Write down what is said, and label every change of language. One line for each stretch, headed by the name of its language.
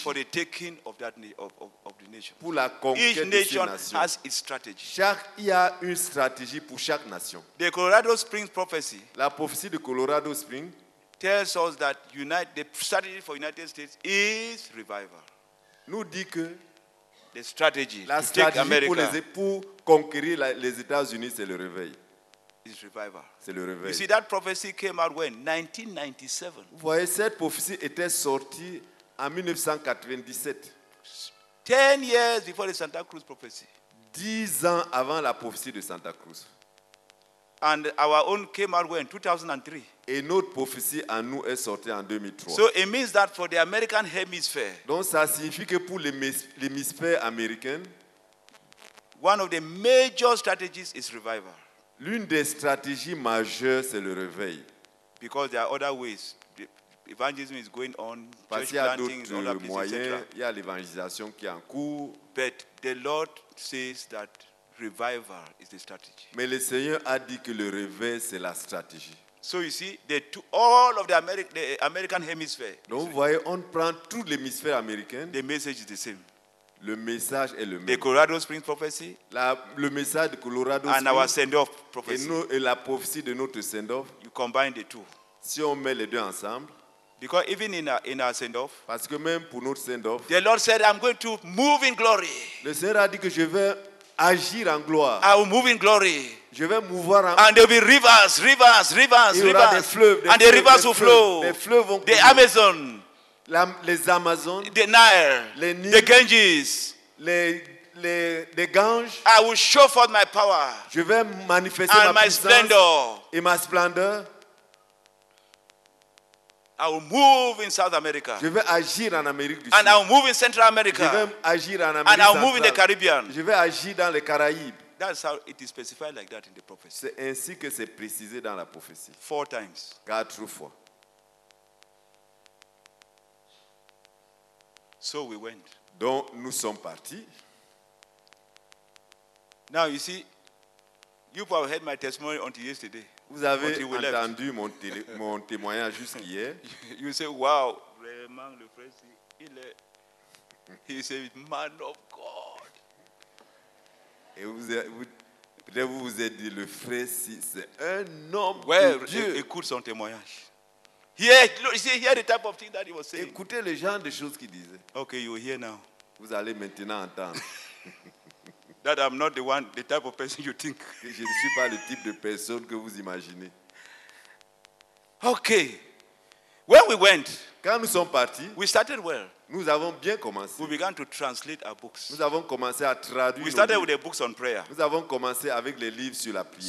English: for the taking of that of the nation.
French: Pour la conquête
English: each nation
French: de ces nations.
English: Has its strategy.
French: Chaque il y a une stratégie pour chaque nation.
English: The Colorado Springs prophecy.
French: La prophétie de Colorado Springs
English: tells us that the strategy for United States is revival.
French: Nous dit que
English: the strategy,
French: la stratégie pour conquérir les États-Unis, c'est le réveil.
English: It's revival.
French: C'est le réveil.
English: You see, that prophecy came out when? 1997.
French: Vous voyez, cette prophétie était sortie en 1997.
English: 10 years before the Santa Cruz prophecy.
French: 10 ans avant la prophétie de Santa Cruz.
English: And our own came out when? 2003.
French: Et notre prophétie à nous est sortie en 2003.
English: So it means that for the American hemisphere.
French: Donc ça signifie que pour l'hémisphère américain,
English: one of the major strategies is revival.
French: L'une des stratégies majeures, c'est le réveil.
English: Because there are other ways. The evangelism is going on.
French: Parce qu'il y a d'autres moyens. Il y a l'évangélisation qui est en cours.
English: But the Lord says that revival is the strategy.
French: Mais le Seigneur a dit que le réveil, c'est la stratégie.
English: So you see, all of the American hemisphere.
French: Donc vous voyez, on prend tout l'hémisphère américain.
English: The message is the same.
French: Le message est le même.
English: The Colorado Springs prophecy.
French: Le message de Colorado
English: Springs. And our send-off prophecy.
French: Et la prophétie de notre send-off.
English: You combine the two.
French: Si on met les deux ensemble.
English: Because even in our send-off,
French: parce que même pour notre send-off,
English: the Lord said, I'm going to move in glory.
French: Le Seigneur a dit que je vais agir en gloire.
English: I will move in glory.
French: Je vais mouvoir en...
English: And there will be rivers.
French: Il y aura
English: rivers.
French: Des fleuves. Des
English: and the rivers will flow.
French: Les fleuves vont the couler. Amazon. Les Amazones,
English: the Nile,
French: les Nils,
English: the Ganges,
French: les Ganges.
English: I will show forth my power.
French: Je vais manifester
English: and
French: ma
English: my splendor.
French: Et ma splendeur.
English: I will move in South America.
French: Je vais agir en Amérique du
English: and
French: Sud.
English: And I will move in Central America.
French: Je vais agir en Amérique
English: and
French: centrale.
English: I will move in the Caribbean.
French: Je vais agir dans les Caraïbes.
English: That's how it is specified like that in the prophecy.
French: C'est ainsi que c'est précisé dans la prophétie.
English: 4 times.
French: 4 fois.
English: So we went.
French: Donc nous sommes partis.
English: Now you see, you probably have heard my testimony until yesterday.
French: Vous avez entendu mon témoignage jusqu'hier.
English: You say, wow,
French: vraiment le frère,
English: he is a man of God.
French: Et vous avez dit le frère, c'est un homme
English: well,
French: de Dieu. Écoute son témoignage.
English: Yeah, you see, hear the type of thing that he was saying.
French: Écoutez le genre de choses qu'il disait.
English: Okay, you will hear now.
French: Vous allez maintenant entendre.
English: That I'm not the type of person you think.
French: Je ne suis pas le type de personne que vous imaginez.
English: Okay. When we went,
French: quand nous sommes partis,
English: we started well.
French: Nous avons bien commencé.
English: We began to translate our books.
French: Nous avons commencé à traduire.
English: We started with the books on prayer.
French: Nous avons commencé avec les livres sur la prière.